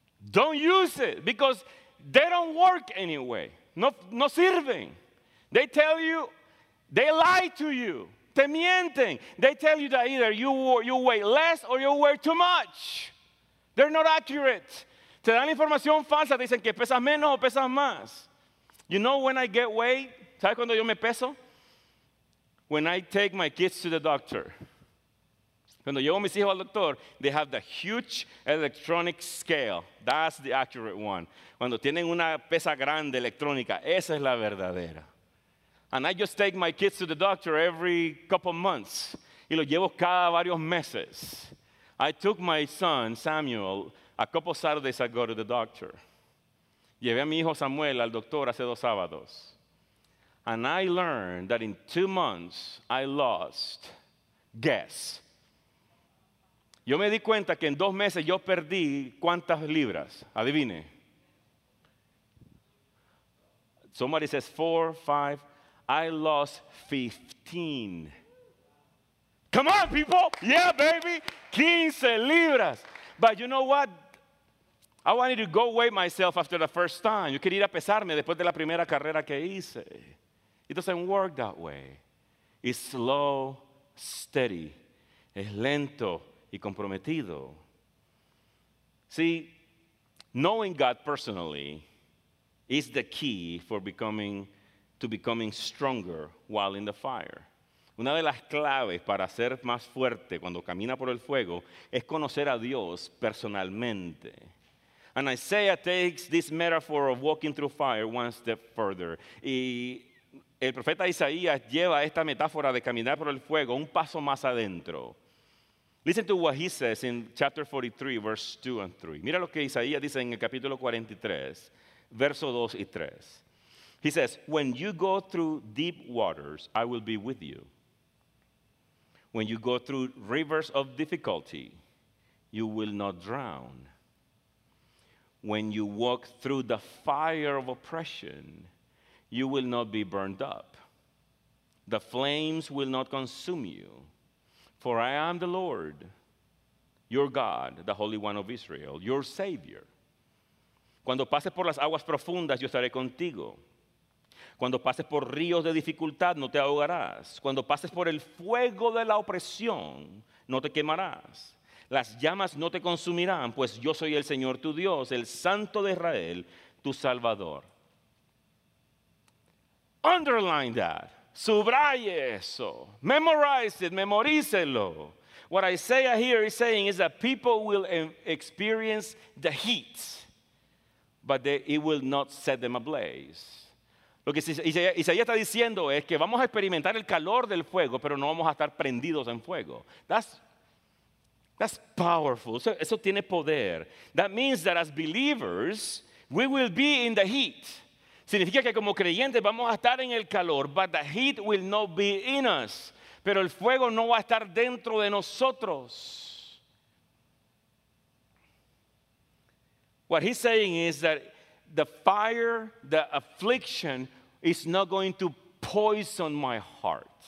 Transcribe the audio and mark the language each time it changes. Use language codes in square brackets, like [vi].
[en] Don't use it because they don't work anyway. [es] No sirven. [en] They tell you, they lie to you. [es] Te mienten. [en] They tell you that either you weigh less or you weigh too much. They're not accurate. [es] Te dan información falsa. Te dicen que pesas menos o pesas más. [en] You know when I get weight? [es] ¿Sabes cuando yo me peso? [en] When I take my kids to the doctor. [es] Cuando llevo a mis hijos al doctor, [en] they have the huge electronic scale. That's the accurate one. [es] Cuando tienen una pesa grande electrónica, esa es la verdadera. [en] And I just take my kids to the doctor every couple months. [es] Y los llevo cada varios meses. [en] I took my son, Samuel, a couple Saturdays ago to the doctor. [es] Llevé a mi hijo Samuel al doctor hace 2 sábados. [en] And I learned that in 2 months, I lost. Guess. [es] Yo me di cuenta que en 2 meses yo perdí ¿cuántas libras? Adivine. [en] Somebody says 4, 5. I lost 15. Come on, people. Yeah, baby. [es] 15 libras. [en] But you know what? I wanted to go weigh myself after the first time. [es] Yo quería ir a pesarme después de la primera carrera que hice. [en] It doesn't work that way. It's slow, steady. [es] Es lento y comprometido. [en] See, knowing God personally is the key for becoming stronger while in the fire. [es] Una de las claves para ser más fuerte cuando camina por el fuego es conocer a Dios personalmente. [en] And Isaiah takes this metaphor of walking through fire one step further. [es] Y el profeta Isaías lleva esta metáfora de caminar por el fuego un paso más adentro. [en] Listen to what he says in chapter 43, verse 2 and 3. [es] Mira lo que Isaías dice en el capítulo 43, verso 2 y 3. [en] He says, when you go through deep waters, I will be with you. When you go through rivers of difficulty, you will not drown. When you walk through the fire of oppression, you will not be burned up. The flames will not consume you. For I am the Lord, your God, the Holy One of Israel, your Savior. [es] Cuando pases por las aguas profundas, yo estaré contigo. Cuando pases por ríos de dificultad, no te ahogarás. Cuando pases por el fuego de la opresión, no te quemarás. Las llamas no te consumirán, pues yo soy el Señor tu Dios, el Santo de Israel, tu Salvador. [en] Underline that. [es] Subraye eso. [en] Memorize it. [es] Memorícelo. [en] What Isaiah here is saying is that people will experience the heat, but it will not set them ablaze. [es] Lo que Isaías está diciendo es que vamos a experimentar el calor del fuego, pero no vamos a estar prendidos en fuego. [en] That's powerful. [es] Eso tiene poder. [en] That means that as believers, we will be in the heat. [es] Significa que como creyentes vamos a estar en el calor, [en] but the heat will not be in us. [es] Pero el fuego no va a estar dentro de nosotros. [en] What he's saying is that the fire, the affliction, is not going to poison my heart.